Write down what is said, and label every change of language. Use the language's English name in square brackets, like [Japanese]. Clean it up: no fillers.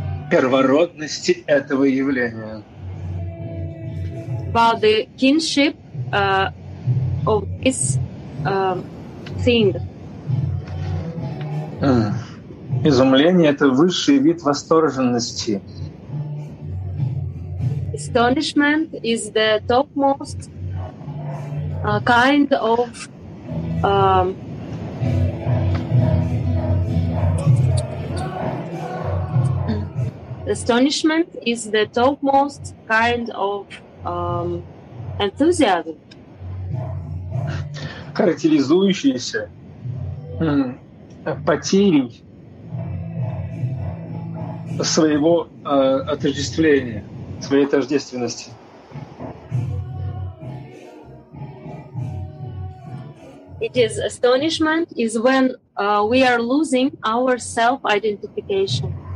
[Russian] Первородности этого явления. [English] About the kinship of this thing. [Russian] Изумление — это высший вид восторженности. [English] Astonishment is the topmost kind of astonishment is the topmost kind of enthusiasm. [Russian] Характеризующийся потерей своего отождествления, своей тождественности. [English] It is astonishment is when we are losing our self-identification.